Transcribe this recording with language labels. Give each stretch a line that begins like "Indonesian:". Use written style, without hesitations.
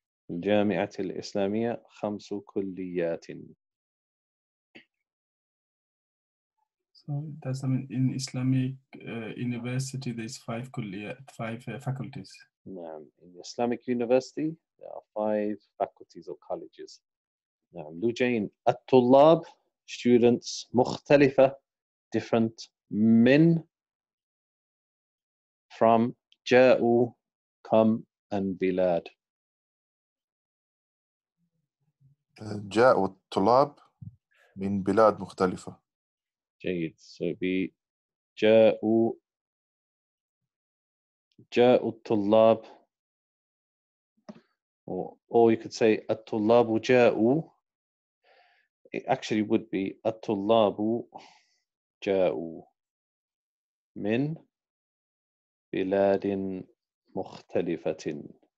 Arabic: الجامعة الإسلامية خمس كليات.
English: So that's, I mean, in Islamic university there's five كليات, five faculties.
Arabic: نعم.
English: In Islamic university there are five faculties or colleges.
Arabic: نعم لوجين الطلاب
English: students
Arabic: مختلفة
English: different
Arabic: من
English: from
Arabic: جاءوا
English: come and
Arabic: بلاد جاءوا الطلاب من بلاد مختلفة
English: جيد so be
Arabic: جاءوا الطلاب
English: or you could say
Arabic: الطلاب جاءوا.
English: It actually would be
Arabic: At-tullabu ja'u min biladin mukhtalifatin.